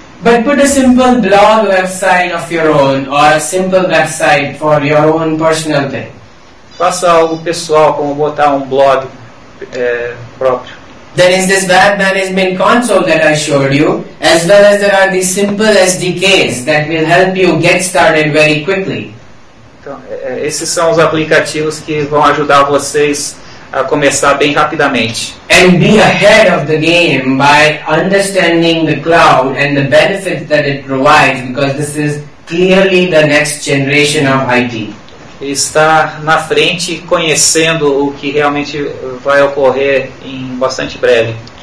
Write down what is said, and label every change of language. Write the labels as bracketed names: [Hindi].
[English] But put a simple blog website of your own or a simple website for your own personal thing. [Portuguese] Faça algo pessoal, como botar um blog próprio. [English] There is this web management console that I showed you, as well as there are these simple SDKs that will help you get started very quickly. [Portuguese] Então, esses são os aplicativos que vão ajudar vocês a começar bem rapidamente. [English] And be ahead of the game by understanding the cloud and the benefits that it provides, because this is clearly the next generation of IT. [Portuguese] Está na frente, conhecendo o que realmente vai ocorrer em bastante breve.